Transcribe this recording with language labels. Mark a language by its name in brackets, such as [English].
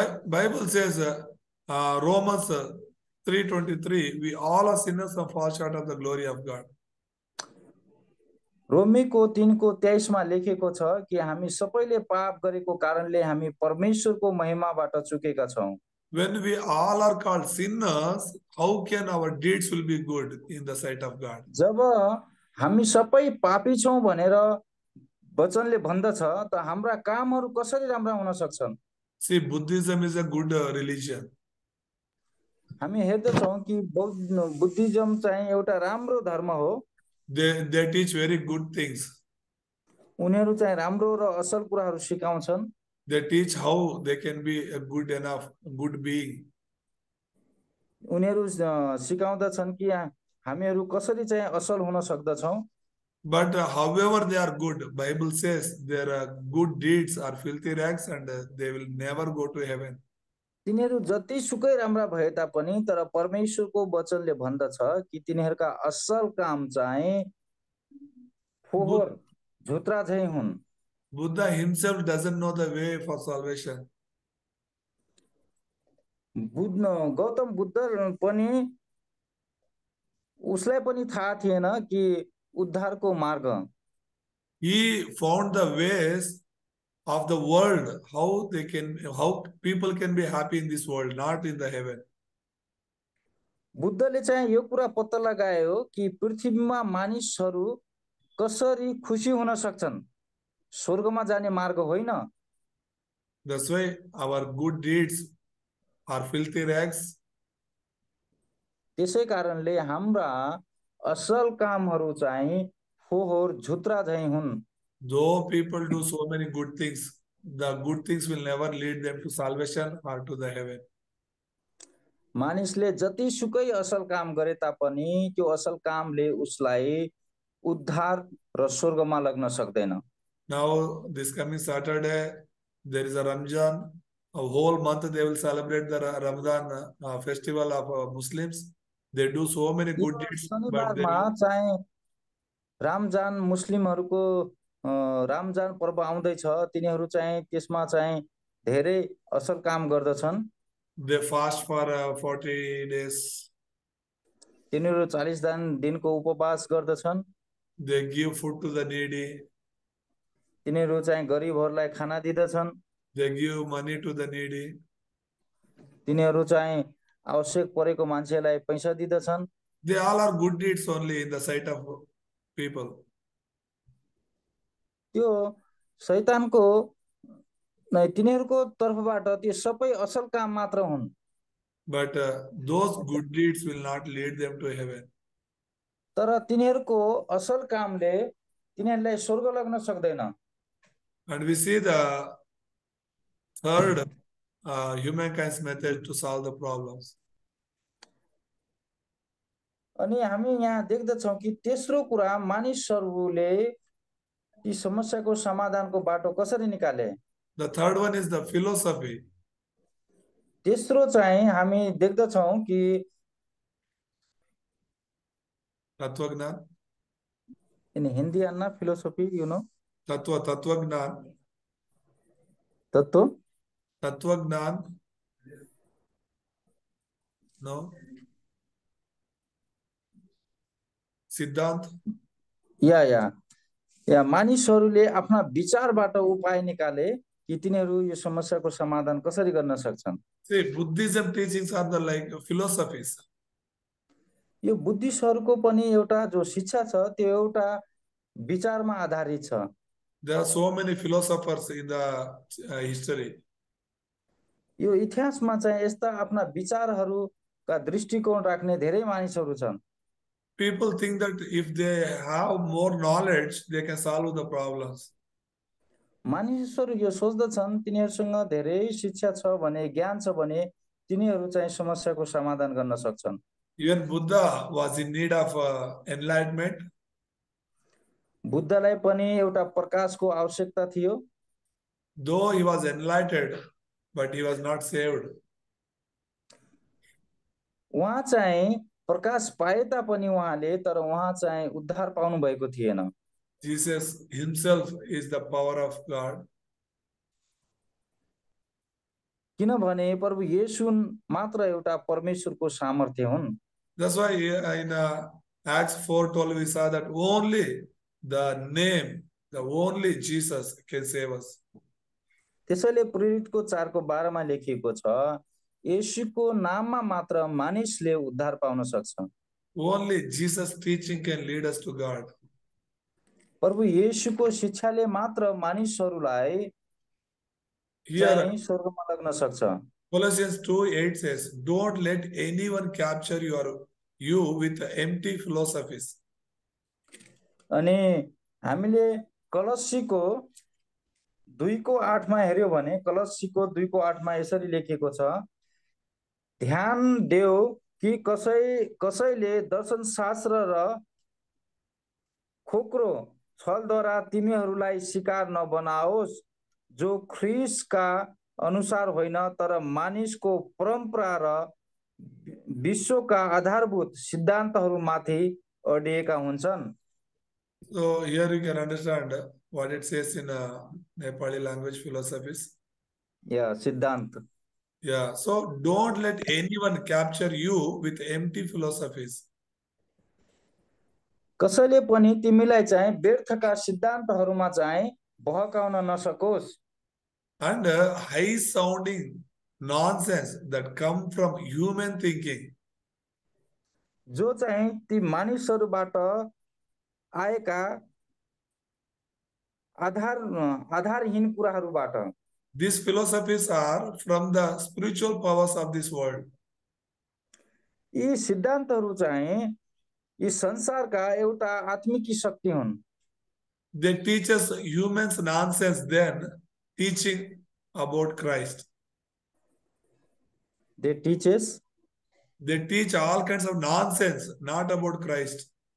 [English] Bible says Romans 3:23, we all are sinners and fall short of the glory of God. [Nepali] रोमीको 3:23 लेखेको छ कि हामी सबैले पाप गरेको कारणले हामी परमेश्वरको महिमाबाट चुकेका छौँ [English] When we all are called sinners, how can our deeds will be good in the sight of God? [Nepali] जब हामी सबै पापी छौँ भनेर वचनले भन्दछ त हाम्रा कामहरू कसरी राम्रा हुन सक्छन् [English] See, Buddhism is a good religion. [Nepali] हामी हेर्दछौँ कि बुद्धिज्म चाहिँ एउटा राम्रो धर्म हो [English] They teach very good things. [Nepali] उनीहरू चाहिँ राम्रो र असल कुराहरू सिकाउँछन् [English] They teach how they can be a good enough, good being. [Nepali] उनीहरू सिकाउँदछन् कि हामीहरू कसरी चाहिँ असल हुन सक्दछौँ [English] But however they are good, Bible says their good deeds are filthy rags and they will never go to heaven. [Nepali] तिनीहरू जति सुकै राम्रा भए तापनि तर परमेश्वरको वचनले भन्दछ कि तिनीहरूका असल काम चाहिँ फोहोर झुत्रा झैँ हुन् [English] Buddha himself doesn't know the way for salvation. [Nepali] Gautam Buddha पनि उसलाई पनि थाहा थिएन कि उद्धारको मार्ग [English] He found the ways of the world, how people can be happy in this world, not in the heaven. [Nepali] बुद्धले चाहिँ यो कुरा पत्ता लगायो कि पृथ्वीमा मानिसहरू कसरी खुसी हुन सक्छन् स्वर्गमा जाने मार्ग होइन [English] That's why our good deeds are filthy rags. [Nepali] त्यसै कारणले हाम्रा असल कामहरू चाहिँ फोहोर झुत्रा झैँ हुन् [English] Though people do so many good things will never lead them to salvation or to the heaven. [Nepali] मानिसले जति सुकै असल काम गरे तापनि त्यो असल कामले उसलाई उद्धार र स्वर्गमा लग्न सक्दैन [English] Now, this coming Saturday, there is a Ramzan. A whole month they will celebrate the Ramadan festival of Muslims. They do so many good deeds. [Nepali] शनिबारमा चाहिँ रमजान मुस्लिमहरूको रमजान पर्व आउँदैछ तिनीहरू चाहिँ त्यसमा चाहिँ धेरै असल काम गर्दछन् [English] They fast for 40 days. [Nepali] तिनीहरू 40 दिनको उपवास गर्दछन् [English] They give food to the needy. [Nepali] तिनीहरू चाहिँ गरिबहरूलाई खाना दिदछन् [English] They give money to the needy. [Nepali] तिनीहरू चाहिँ आवश्यक परेको मान्छेलाई पैसा दिदछन् [English] They all are good deeds only in the sight of people. [Nepali] त्यो शैतानको तिनीहरूको तर्फबाट त्यो सबै असल काम मात्र हुन् [English] But those good deeds will not lead them to heaven. [Nepali] तर तिनीहरूको असल कामले तिनीहरूलाई स्वर्ग लग्न सक्दैन [English] And we see the third humankind's method to solve the problems. [Nepali] अनि हामी यहाँ देख्दछौँ कि तेस्रो कुरा मानिसहरूले यी समस्याको समाधानको बाटो कसरी निकाले [English] The third one is the philosophy. [Nepali] तेस्रो चाहिँ हामी देख्दछौँ कि तत्वज्ञान [English] in Hindi and philosophy you know [Nepali] तत्व तत्वज्ञान तत्व तत्वज्ञान नो सिद्धान्त या मानिसहरूले आफ्ना विचारबाट उपाय निकाले कि तिनीहरू यो समस्याको समाधान कसरी गर्न सक्छन् [English] Buddhism teachings are the like philosophies [Nepali] यो बुद्धिस्टहरूको पनि एउटा जो शिक्षा छ त्यो एउटा विचारमा आधारित छ [English] There are so many philosophers in the history. [Nepali] यो इतिहासमा चाहिँ यस्ता आफ्ना विचारहरूका दृष्टिकोण राख्ने धेरै मानिसहरू छन् [English] People think that if they have more knowledge, they can solve the problems. [Nepali] मानिसहरू यो सोच्दछन् तिनीहरूसँग धेरै शिक्षा छ भने ज्ञान छ भने तिनीहरू चाहिँ समस्याको समाधान गर्न सक्छन् [English] Even Buddha was in need of enlightenment. [Nepali] बुद्धलाई पनि एउटा प्रकाशको आवश्यकता थियो [English] Though he was enlightened, but he was not saved. [Nepali] उहाँ चाहिँ प्रकाश पाए तापनि उहाँले तर उहाँ चाहिँ उद्धार पाउनु भएको थिएन [English] Jesus himself is the power of God. [Nepali] किनभने प्रभु येशु मात्र एउटा परमेश्वरको सामर्थ्य हुन् [English] That's why in Acts 4:12 we saw that only the name, the only Jesus can save us. [Nepali] त्यसैले प्रेरितको 4:12 लेखिएको छ येशूको नाममा मात्र मानिसले उद्धार पाउन सक्छ [English] Only Jesus teaching can lead us to God. [Nepali] प्रभु येशूको शिक्षाले मात्र मानिसहरूलाई चाहिँ स्वर्गमा लग्न सक्छ [English] Colossians 2:8 says, Don't let anyone capture you with empty philosophies. [Nepali] अनि हामीले कलसीको 2:8 हेर्यो भने कलसीको 2:8 यसरी लेखेको छ ध्यान देऊ कि कसैले दर्शन शास्त्र र खोक्रो छलद्वारा तिमीहरूलाई शिकार नबनाओस् जो ख्रिसका अनुसार होइन तर मानिसको परम्परा र विश्वका आधारभूत सिद्धान्तहरूमाथि अडिएका हुन्छन् [English] So here you can understand what it says in Nepali language philosophies. Yeah, Siddhant. Yeah, so don't let anyone capture you with empty philosophies. [Nepali] कसले पनि तिमीलाई चाहिँ व्यर्थका सिद्धान्तहरूमा चाहिँ बहकाउन नसकोस् [English] And high sounding nonsense that come from human thinking. [Nepali] जो चाहिँ ती मानिसहरूबाट आएका आधारहीन कुराहरूबाट [English] These philosophies are from the spiritual powers of this world. [Nepali] यी सिद्धान्तहरू चाहिँ यी संसारका एउटा आत्मिक शक्ति हुन् [English] They teach us humans nonsense then teaching about Christ. They teach all kinds of nonsense, not about Christ.